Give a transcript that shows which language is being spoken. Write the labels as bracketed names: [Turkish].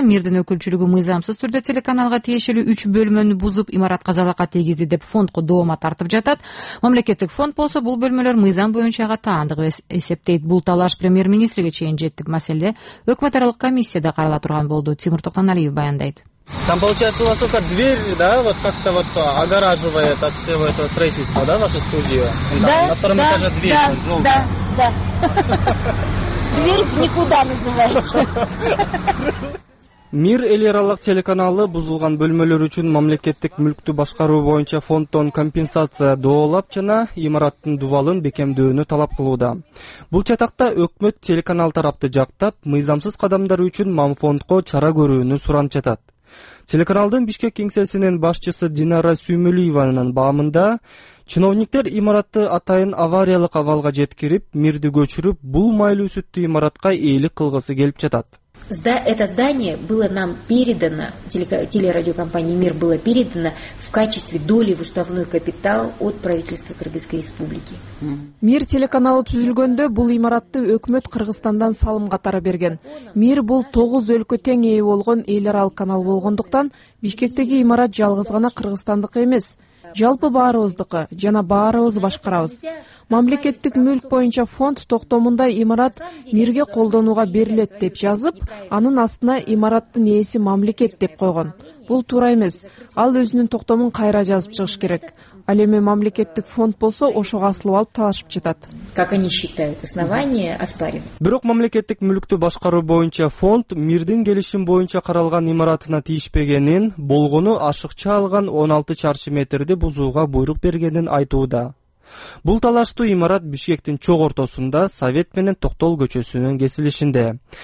[Kyrgyz] Мирдин өкүлчүлүгү мыйзамсыз түрдө телеканалга тиешелүү 3 бөлмөнү бузуп имарат казалыкка тийгизди деп фондко доома тартып жатат. Мамлекеттик фонд болсо бул бөлмөлөр мыйзам боюнча ага таандык эсептейт. Бул талаш премьер министрге чейин жетти. Маселе өкмөт аралык комиссияда карала турган болду. Тимур Токтоналиев баяндайт. [Russian] Там получается у вас только дверь, да, вот как-то вот огораживает от всего этого строительства, да, ваша студия? Да, да. На втором этаже дверь, да, желтая. Да, да. Дверь в никуда называется. [Kyrgyz] Мир эли аралык телеканалы бузулган бөлмөлөр үчүн мамлекеттик мүлктү башкаруу боюнча фонддон компенсация доолап жана имараттын дубалын бекемдөөнү талап кылууда. Бул чатакта өкмөт телеканал тарапты жактап, мыйзамсыз кадамдар үчүн мамфондко чара көрүүнү суранып жатат. Телеканалдын Бишкек кеңсесинин башчысы Динара Сүймөлиеванын баамында чиновниктер имаратты атайын авариялык абалга жеткирип, мирди көчүрүп, бул майлуу сүттү имаратка ээлик кылгысы келип жатат. [Russian] Это здание было нам передано, телерадиокомпании «Мир» было передано в качестве доли в уставной капитал от правительства Кыргызской Республики. [Kyrgyz] «Мир» телеканалы түзүлгөндө бул имаратты өкмөт Кыргызстандан салым катары берген. «Мир» бул 9 өлкө тең ээ болгон эл аралык канал болгондуктан, Бишкектеги имарат жалгыз гана кыргызстандык эмес. Жалпы баарыбыздыкы жана баарыбыз башкарабыз. Мамлекеттик мүлк боюнча фонд токтомунда имарат мирге колдонууга берилет деп жазып, анын астына имараттын ээси мамлекет деп койгон. Бул туура эмес. Ал өзүнүн токтомун кайра жазып чыгыш керек. Ал эми мамлекеттик фонд болсо ошого асылып алып талашып жатат. [Russian] Как они считают основание оспаривать? [Kyrgyz] Бирок мамлекеттик мүлктү башкаруу боюнча фонд мирдин келишим боюнча каралган имаратына тийишпегенин, болгону ашыкча алган 16 чарчы метрди бузууга буйрук бергенин айтууда. Бул талаштуу имарат Бишкектин чок ортосунда Совет менен Токтол көчөсүнүн кесилишинде.